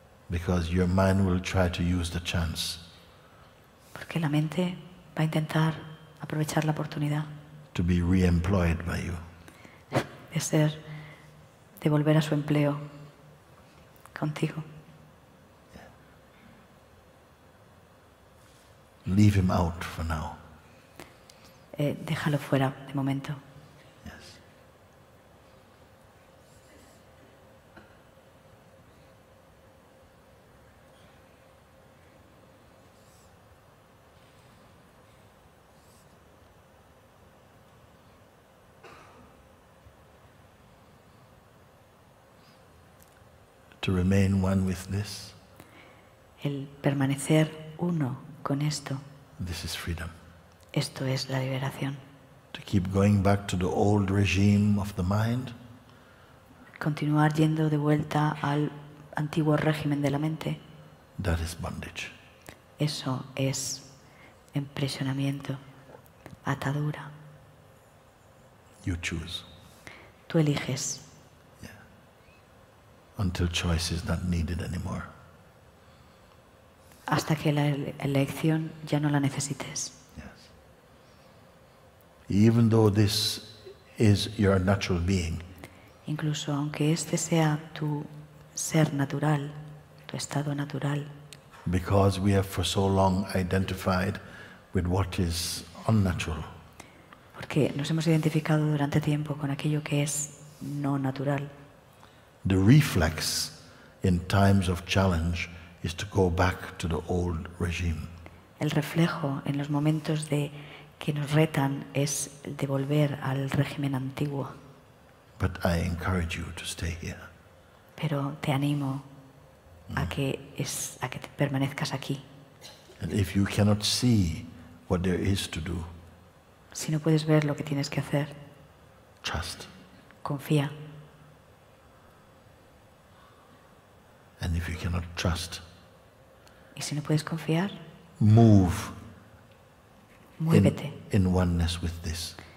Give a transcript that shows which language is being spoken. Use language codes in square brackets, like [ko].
[en] Because your mind will try to use the chance. [es] Porque la mente va a intentar aprovechar la oportunidad. [en] To be re-employed by you. [es] De ser, de volver a su empleo contigo. [en] Leave him out for now. [es] Déjalo fuera de momento. [en] Yes. To remain one with this. [es] El permanecer uno. Con esto, [en] this is freedom. [es] Esto es la liberación. [en] To keep going back to the old regime of the mind. [es] Continuar yendo de vuelta al antiguo régimen de la mente. [en] That is bondage. [es] Eso es imprisionamiento, atadura. [en] You choose. [es] Tú eliges. [en] Yeah. Until choice is not needed anymore. [es] Hasta que la elección ya no la necesites. [en] Yes. Even though this is your natural being. [es] Incluso aunque este sea tu ser natural, tu estado natural. [en] Because we have for so long identified with what is unnatural. [es] Porque nos hemos identificado durante tiempo con aquello que es no natural. [en] The reflex in times of challenge is to go back to the old regime. [es] El reflejo en los momentos de que nos retan es de volver al régimen antiguo. [en] But I encourage you to stay here. [es] Pero te animo a que permanezcas aquí. [en] And if you cannot see what there is to do. [es] Si no puedes ver lo que tienes que hacer. [en] Trust. [es] Confía. [en] And if you cannot trust. [es] Y si no puedes confiar, [en] move. [es] Muévete. [en] In oneness with this.